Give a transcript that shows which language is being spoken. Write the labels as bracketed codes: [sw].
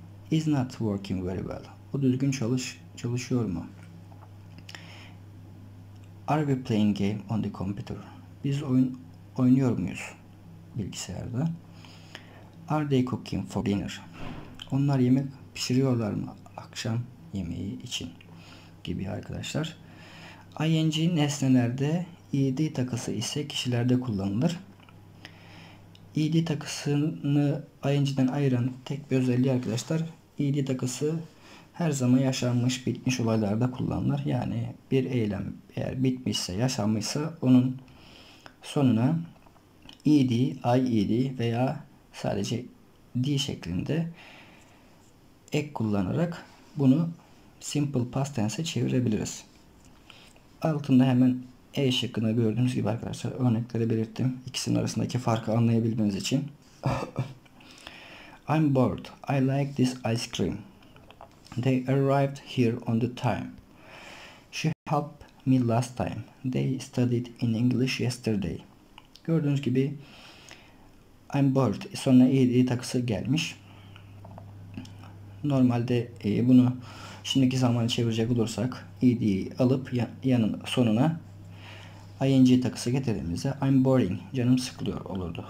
[en] Is not working very well? [tr] O düzgün çalışıyor mu? [en] Are we playing game on the computer? [tr] Biz oyun oynuyor muyuz bilgisayarda? [en] Are they cooking for dinner? [tr] Onlar yemek pişiriyorlar mı akşam yemeği için gibi arkadaşlar. ING nesnelerde ed takısı ise kişilerde kullanılır. Ed takısını ING'den ayıran tek bir özelliği arkadaşlar, ed takısı her zaman yaşanmış bitmiş olaylarda kullanılır. Yani bir eylem eğer bitmişse, yaşanmışsa onun sonuna ed, ied veya sadece d şeklinde ek kullanarak bunu simple past tense'e çevirebiliriz. Altında hemen E şıkkında gördüğünüz gibi arkadaşlar örnekleri belirttim. İkisinin arasındaki farkı anlayabilmeniz için. [en] I'm bored. I like this ice cream. They arrived here on the time. She helped me last time. They studied in English yesterday. [tr] Gördüğünüz gibi [en] I'm bored. [tr] Sonra ED takısı gelmiş. Normalde bunu şimdiki zamanı çevirecek olursak ED'yi alıp yanın sonuna ING takısı getirdiğimizde [en] I'm boring, [tr] canım sıkılıyor olurdu.